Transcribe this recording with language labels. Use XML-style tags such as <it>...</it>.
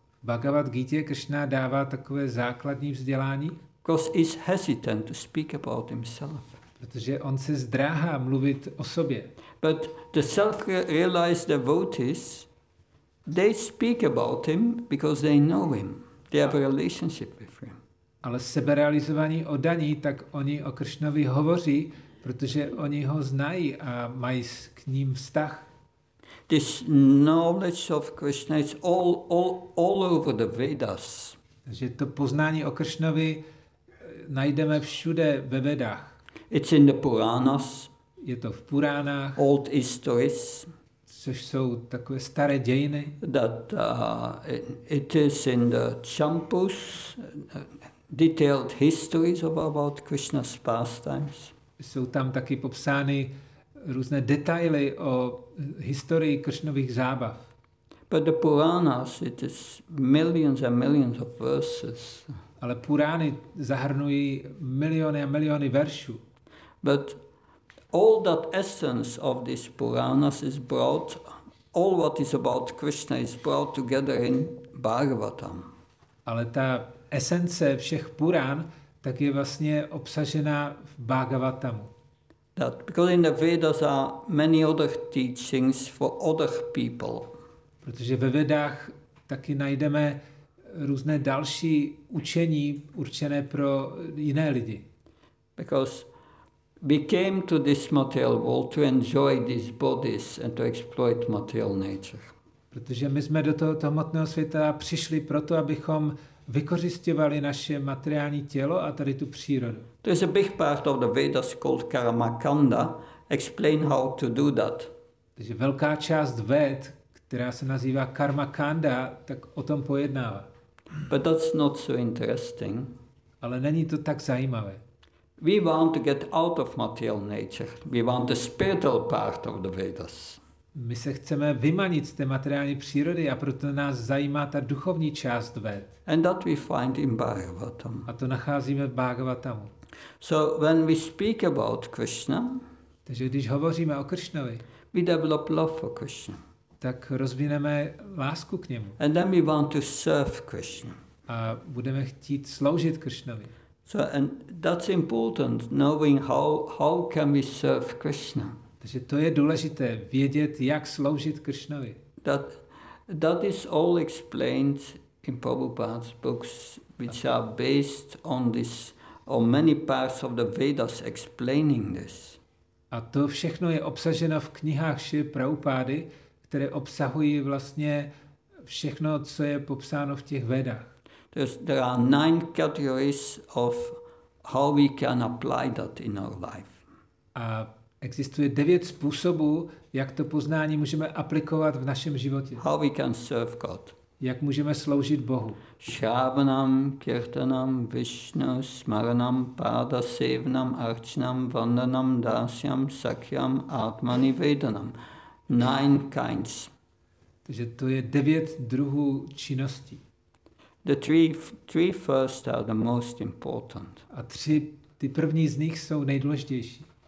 <cs>V Bhagavad Gita Krishna dává takové základní vzdělání.</cs> <en>Because he's hesitant to speak about himself.</en> <cs>Protože on se zdráhá mluvit o sobě.</cs> <en>But the self-realized devotees, they speak about him because they know him. They have a relationship with him.</en> <cs>Ale seberealizovaní oddaní, tak oni o Kršnovi hovoří, protože oni ho znají a mají k ním vztah.</cs> <en>This knowledge of Krishna is all over the Vedas.</en> <cs>Takže to poznání o Kršnovi najdeme všude ve Vedách.</cs> <en>It's in the Puranas.</en> <cs>Je to v Puránách.</cs> <en>Old histories.</en> <cs>Což jsou takové staré dějiny.</cs> <en>That it is in the Champus. Detailed histories about Krishna's pastimes.</en> <cs>Jsou tam taky popsány různé detaily o historii Kršnových zábav.</cs> <en>But the Puranas, it is millions and millions of verses.</en> <cs>Ale Purány zahrnují miliony a miliony veršů.</cs> <en>But all that essence of this Puranas is brought, all what is about Krishna is brought together in Bhagavatam.</en> <cs>Ale ta esence všech Purán tak je vlastně obsažena v Bhagavatamu.</cs> <en>That because in the Vedas are many other teachings for other people.</en> <cs>Protože ve Vedách taky najdeme různé další učení určené pro jiné lidi.</cs> <en>Because we came to this material world to enjoy these bodies and to exploit material nature.</en> <cs>Protože my jsme do tohoto hmotného světa přišli proto, abychom vykořisťovali naše materiální tělo a tady tu přírodu.</cs> <en>There is a big part of the Vedas called Karmakanda. Explain how to do that.</en> <cs>Takže velká část Ved, která se nazývá Karmakanda, tak o tom pojednává.</cs> <en>But that's not so interesting.</en> <cs>Ale není to tak zajímavé.</cs> <en>We want to get out of material nature. We want the spiritual part of the Vedas.</en> <cs>My se chceme vymanit z té materiální přírody a proto nás zajímá ta duchovní část Ved.</cs> <en>And that we find in Bhagavatam.</en> <cs>A to nacházíme v Bhagavatamu.</cs> <en>So when we speak about Krishna,</en> <cs>takže když hovoříme o Kršnovi,</cs> <en>we develop love for Krishna.</en> <cs>Tak rozvineme lásku k němu.</cs> <en>And then we want to serve Krishna.</en> <cs>A budeme chtít sloužit Kršnovi.</cs> <en>So and that's important, knowing how can we serve Krishna.</en> <cs>Takže to je důležité vědět, jak sloužit Kršnovi.</cs> <en>That is all explained in Prabhupada's books, which are based on this, on many parts of the Vedas explaining this.</en> <cs>A to všechno je obsaženo v knihách Šri Prabhupády, které obsahují vlastně všechno, co je popsáno v těch Vedách.</cs> <en>There are 9 categories of how we can apply that in our life.</en> <cs>A existuje 9 způsobů, jak to poznání můžeme aplikovat v našem životě.</cs> <en>How we can serve God.</en> <cs>Jak můžeme sloužit Bohu.</cs> <sa>Shravanam, kirtanam, vishnu, smaranam, pada, sevnam, archanam, vandanam, dasyam, sakyam, atmani, vedanam.</sa> <en>9 kinds.</en> <cs>Takže to je 9 druhů činností.</cs> <en>The three first are the most important.</en> <cs>A ty první z nich jsou nejdůležitější.</cs>